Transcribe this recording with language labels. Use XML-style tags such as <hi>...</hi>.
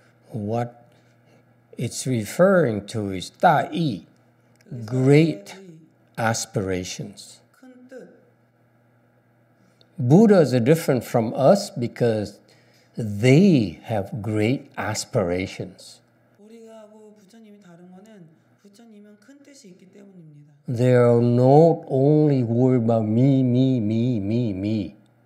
<en>What it's referring to is 大意, great aspirations. Buddhas are different from us because they have great aspirations.</en> <ko>우리하고 부처님이 다른 거는 부처님은 큰 뜻이 있기 때문입니다.</ko> <en>They are not only worried about me, me, me, me, me.</en>